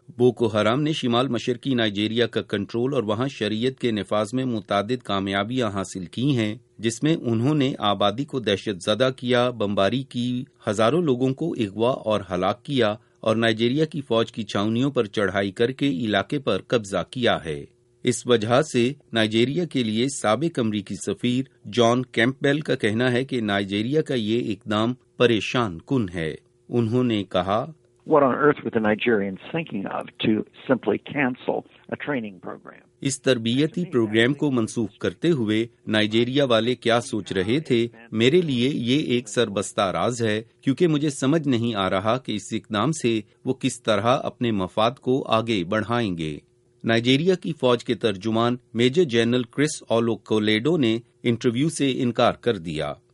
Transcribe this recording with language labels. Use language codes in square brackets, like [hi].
[ur] Boko Haram نے شمال مشرقی نائجیریا کا کنٹرول اور وہاں شریعت کے نفاذ میں متعدد کامیابیاں حاصل کی ہیں، جس میں انہوں نے آبادی کو دہشت زدہ کیا، بمباری کی، ہزاروں لوگوں کو اغوا اور ہلاک کیا اور نائجیریا کی فوج کی چھاؤنیوں پر چڑھائی کر کے علاقے پر قبضہ کیا ہے. اس وجہ سے نائجیریا کے لیے سابق امریکی سفیر جان کیمپ بیل کا کہنا ہے کہ نائجیریا کا یہ اقدام پریشان کن ہے. انہوں نے کہا، [en] What on earth were the Nigerians thinking of to simply cancel a training program? [ur] اس تربیتی پروگرام کو منسوخ کرتے ہوئے نائجیریا والے کیا سوچ رہے تھے؟ میرے لیے یہ ایک سربستہ راز ہے، کیونکہ مجھے سمجھ نہیں آ رہا کہ اس اقدام سے وہ کس طرح اپنے مفاد کو آگے بڑھائیں گے. نائجیریا کی فوج کے ترجمان میجر جنرل کرس اولو کولیڈو نے انٹرویو سے انکار کر دیا.